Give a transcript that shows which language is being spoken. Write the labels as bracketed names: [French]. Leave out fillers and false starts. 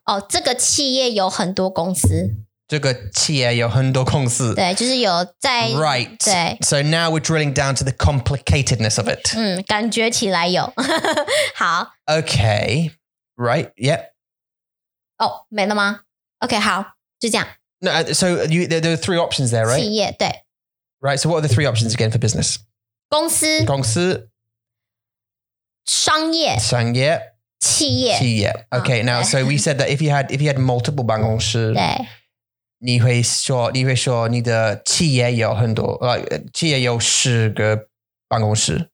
[Chinese] 哦，这个企业有很多公司。这个企业有很多公司。对，就是有在。 [English] Right. [Chinese] 对。 [English] So now we're drilling down to the complicatedness of it. [Chinese] 嗯，感觉起来有。好。 [English] Okay. Right. Yep. [Chinese] 哦，没了吗 ？ [English] Okay. [Chinese] 好，就这样。 [English] No. So you there are three options there, right? [Chinese] 企业对。 [English] Right. So what are the three options again for business? [Chinese] 公司商业企业 [English] Okay, now, so we said that if you had multiple 办公室 [Chinese] 对你会说你的企业有很多 企业有十个办公室